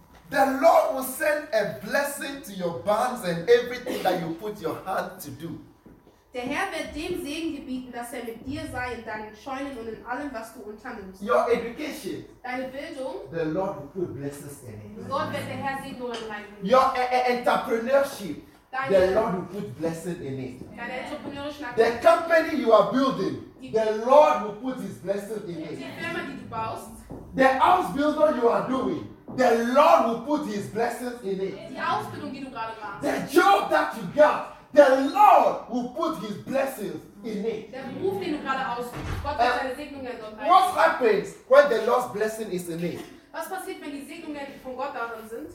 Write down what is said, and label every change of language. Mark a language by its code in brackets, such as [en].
[en] The Lord will send a blessing to your barns and everything that you put your hand to do. [de] Der Herr wird dem Segen gebieten, dass er mit dir sei in deinen Scheunen und in allem, was du unternimmst. [en] Your education. [de] Deine Bildung. [en] The Lord will put blessings in it. [de] Gott wird der Herr Segen darin reinbringen. [en] Your entrepreneurship. [de] Deine, [en] the Lord will put blessing in it. [de] Deine entrepreneurische Aktivität. [en] The company you are building. [de] Die, [en] the Lord will put his blessing in [de] die [en] it. [de] Die Firma, die du baust. [en] The house builder you are doing. The Lord will put his blessings in it. [de] Die Ausbildung, die du gerade machst. [en] The job that you got, the Lord will put his blessings in it. [de] Der Beruf, den du gerade ausübst, Gott wird seine Segnungen dort haben. [en] What happens when the Lord's blessing is in it? [de] Was passiert, wenn die Segnungen von Gott darin sind?